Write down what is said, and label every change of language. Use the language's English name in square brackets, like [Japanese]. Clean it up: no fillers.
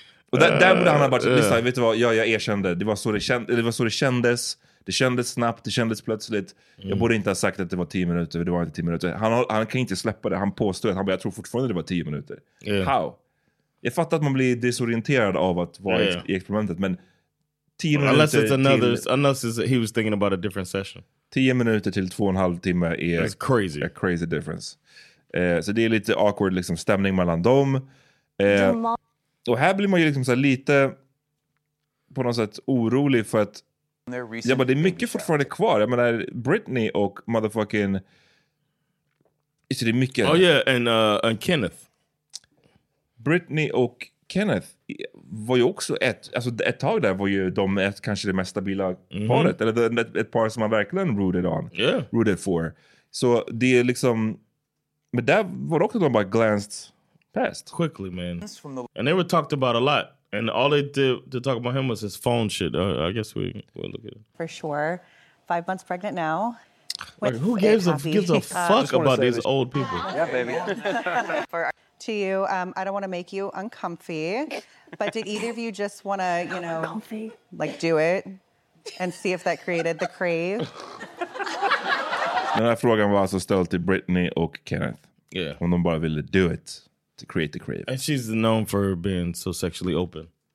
[Swedish] Och där borde han ha bara sagt, vet du vad, ja, jag erkände. Det var så det kändes. Det kändes snabbt, det kändes plötsligt. Jag borde inte ha sagt att det var 10 minuter, för det var inte 10 minuter. Han kan inte släppa det. Han påstår att han bara, jag tror fortfarande det var 10 minuter. [English] Yeah. How? [Swedish] Jag fattar att man blir desorienterad av att vara i experimentet, men 10 minuter. [English] Unless it's another, he was thinking about a different session. [Swedish] 10 minuter till 2.5 timmar är [English] crazy. A crazy difference. [Swedish] Så det är lite awkward liksom, stämning mellan dem. Och här blir man ju liksom så här lite på något sätt orolig för att det är mycket fortfarande kvar. Jag menar, Britney och motherfucking, det är mycket. [English] Oh yeah, and Kenneth. [Swedish] Britney och Kenneth var ju också ett tag där var ju de ett, kanske det mest stabila paret, eller ett par som man verkligen [English] rooted for. [Swedish] Så det är liksom, men där var också de bara [English] glanced past quickly, man. And they were talked about a lot, and all they did to talk about him was his phone shit. I guess we'll look at it. For sure. 5 months pregnant now. Like, who gives a fuck about these old people? Yeah, baby. To you, I don't want to make you uncomfy, but did either of you just want to, you know, like do it and see if that created the crave? [Swedish] Den här frågan var alltså ställd till Britney och Kenneth. [English] Yeah. [Swedish] Om de bara ville [English] do it to create the crave. And she's known for being so sexually open.